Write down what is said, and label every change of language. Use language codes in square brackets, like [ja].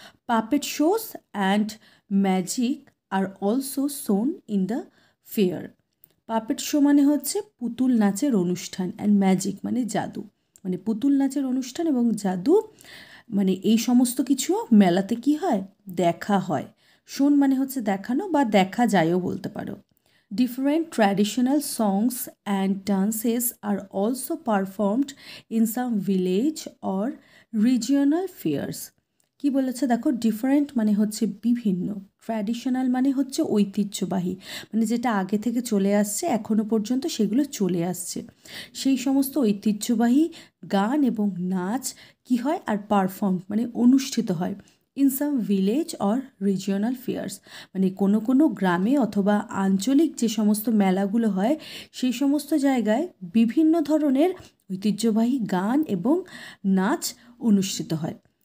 [en] Puppet shows and magic are also shown in the fair. [bn] Puppet show মানে হচ্ছে পুতুল নাচের অনুষ্ঠান, [en] and magic [bn] মানে জাদু, মানে পুতুল নাচের অনুষ্ঠান এবং জাদু, মানে এই সমস্ত কিছুও মেলাতে কি হয় দেখা হয়। শোন মানে হচ্ছে দেখানো বা দেখা যায়ও বলতে পারো। [en] Different traditional songs and dances are also performed in some village or regional fairs. [bn] কি বলেছে দেখো, ডিফারেন্ট মানে হচ্ছে বিভিন্ন, ট্র্যাডিশনাল মানে হচ্ছে ঐতিহ্যবাহী, মানে যেটা আগে থেকে চলে আসছে, এখনও পর্যন্ত সেগুলো চলে আসছে, সেই সমস্ত ঐতিহ্যবাহী গান এবং নাচ কি হয় আর পারফর্ম মানে অনুষ্ঠিত হয় [en] in some village or regional fairs, [bn] মানে কোনো কোনো গ্রামে অথবা আঞ্চলিক যে সমস্ত মেলাগুলো হয় সেই সমস্ত জায়গায় বিভিন্ন ধরনের ঐতিহ্যবাহী গান এবং নাচ অনুষ্ঠিত হয়।